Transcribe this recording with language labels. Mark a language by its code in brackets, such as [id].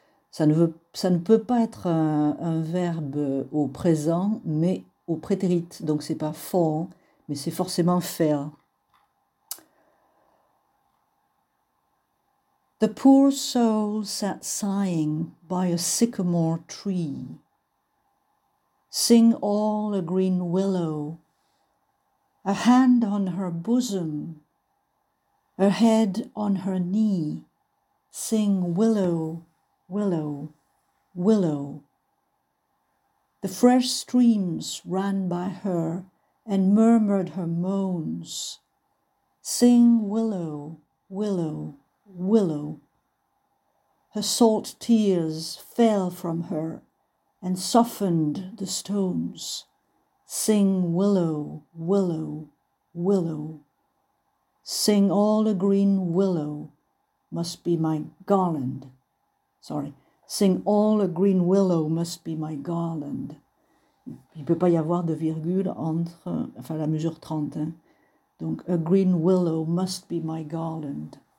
[fr] Ça ne peut pas être un verbe au présent, mais au prétérit. Donc c'est pas fall, mais c'est forcément faire. [en] The poor soul sat sighing by a sycamore tree. Sing all a green willow, a hand on her bosom, her head on her knee. Sing willow, willow, willow. The fresh streams ran by her and murmured her moans. Sing willow, willow, willow. Her salt tears fell from her and softened the stones. Sing willow, willow, willow. Sing all a green willow must be my garland. Sorry. Sing all a green willow must be my garland. [fr] Il ne peut pas y avoir de virgule entre, enfin la mesure 30. Hein. Donc [en] a green willow must be my garland.